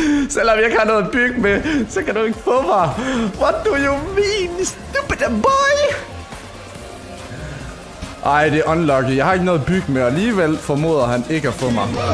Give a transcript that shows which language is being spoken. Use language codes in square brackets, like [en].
[da] Selvom jeg ikke har noget at bygge med, så kan du ikke få mig. [en] What do you mean, stupid boy? [da] Ej, det er unlucky. Jeg har ikke noget at bygge med, og alligevel formoder han ikke at få mig.